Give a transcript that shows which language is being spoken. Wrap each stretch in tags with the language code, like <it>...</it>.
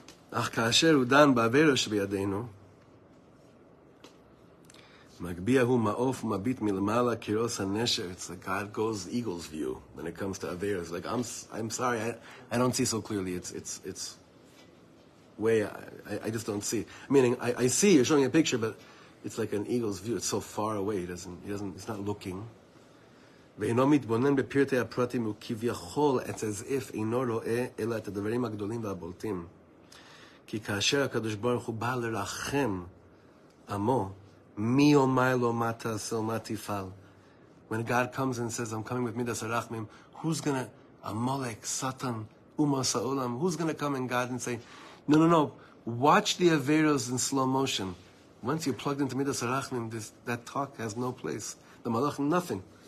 <he>אך כאשר הוא דן בעבירה שבידינו, מגביע הוא מעוף מביט מלמעלה כראות הנשר.</he> <en>It's like God goes eagle's view when it comes to Aver. It's like, I'm sorry, I don't see so clearly. It's way, I just don't see. Meaning, I see, you're showing a picture, but it's like an eagle's view. It's so far away, it's not looking.</en> <he>ואינו מתבונן בפרטי הפרטים, הוא כביכול,</he> <en>it's as if,</en> <he>אינו רואה, אלא את הדברים הגדולים והבולטים. כי כאשר הקדוש ברוך הוא בא לרחם עמו, מי יאמר לו מה תעשה ומה תפעל?</he> <en>When God comes and says, I'm coming with midas harachmim, who's gonna, Amalek, Satan, umos haolam, who's gonna come in God and say, no, watch the averos in slow motion. Once you're plugged into midas harachmim, that talk has no place. The malach, nothing.</en>